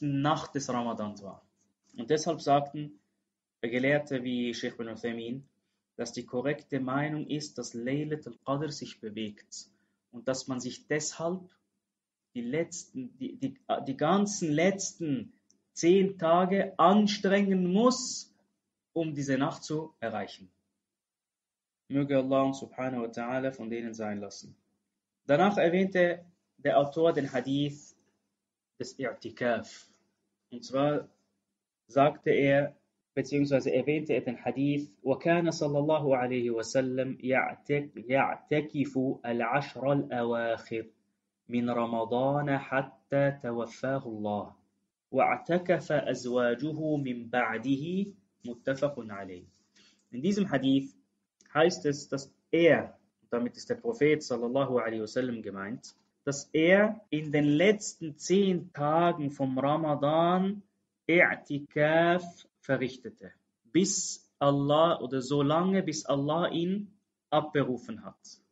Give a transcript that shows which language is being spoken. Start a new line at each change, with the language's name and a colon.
German: Nacht des Ramadans war. Und deshalb sagten Gelehrte wie Sheikh bin Uthaymin, dass die korrekte Meinung ist, dass Laylat al-Qadr sich bewegt und dass man sich deshalb die ganzen letzten 10 Tage anstrengen muss, um diese Nacht zu erreichen. Möge Allah subhanahu wa ta'ala von denen sein lassen. Danach erwähnte der Autor den Hadith des I'tikaf. Und zwar sagte er, beziehungsweise erwähnte er den Hadith,
Arabic: وَكَانَ صَلَّى اللَّهُ عَلَيْهِ وَسَلَّمْ يَعْتَكِفُ الْعَشْرَ الْأَوَاخِرِ مِنْ رَمَضَانَ حَتَّى تَوَفَّاهُ اللَّهُ وَاعْتَكَفَ أَزْوَاجُهُ مِنْ بَعْدِهِ مُتَّفَقٌ عَلَيْهِ.
German: In diesem Hadith heißt es, dass er, damit ist der Prophet sallallahu alaihi wasallam gemeint, dass er in den letzten 10 Tagen vom Ramadan I'tikaf verrichtete, bis Allah oder so lange, bis Allah ihn abberufen hat.